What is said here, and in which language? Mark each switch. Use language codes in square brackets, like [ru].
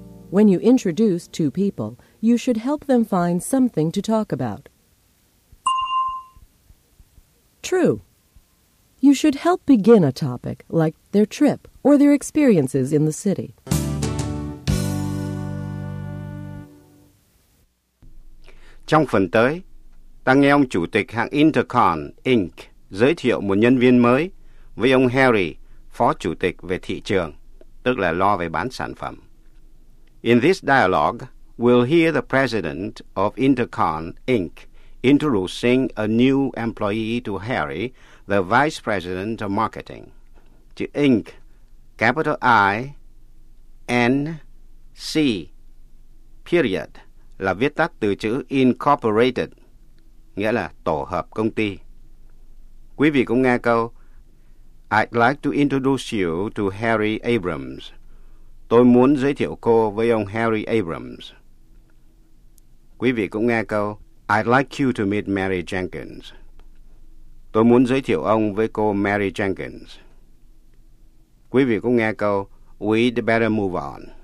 [en] When you introduce two people, you should help them find something to talk about. True. You should help begin a topic, like their trip or their experiences in the city. [vi] Trong phần tới, ta nghe ông chủ tịch hãng Intercon Inc. giới thiệu một nhân viên mới với ông Harry, phó chủ tịch về thị trường, tức là lo về bán sản phẩm. [en] In this dialogue, we'll hear the president of Intercon Inc. introducing a new employee to Harry, the vice president of marketing. To Inc., capital I, N, C, period. [vi] Là viết tắt từ chữ Incorporated, nghĩa là tổ hợp công ty. Quý vị cũng nghe câu [en] I'd like to introduce you to Harry Abrams. [vi] Tôi muốn giới thiệu cô với ông Harry Abrams. Quý vị cũng nghe câu [en] I'd like you to meet Mary Jenkins. [vi] Tôi muốn giới thiệu ông với cô Mary Jenkins. Quý vị cũng nghe câu [en] We'd better move on.